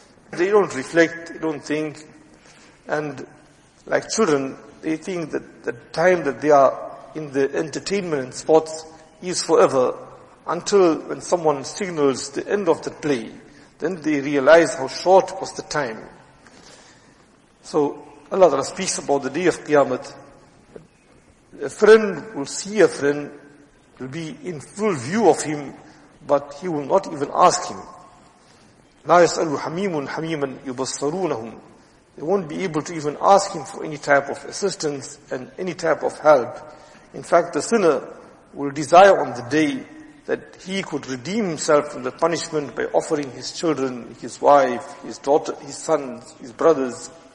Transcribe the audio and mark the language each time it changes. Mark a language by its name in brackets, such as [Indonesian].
[English] They don't reflect, they don't think. And like children, they think that the time that they are in the entertainment and sports is forever, until when someone signals the end of the play, then they realize how short was the time. So Allah Ta'ala speaks about the day of Qiyamah. A friend will see a friend, will be in full view of him, but he will not even ask him. [Arabic] لا يسأل حميم حميما يبصرونهم. [English] They won't be able to even ask him for any type of assistance and any type of help. In fact, the sinner will desire on the day that he could redeem himself from the punishment by offering his children, his wife, his daughter, his sons, his brothers.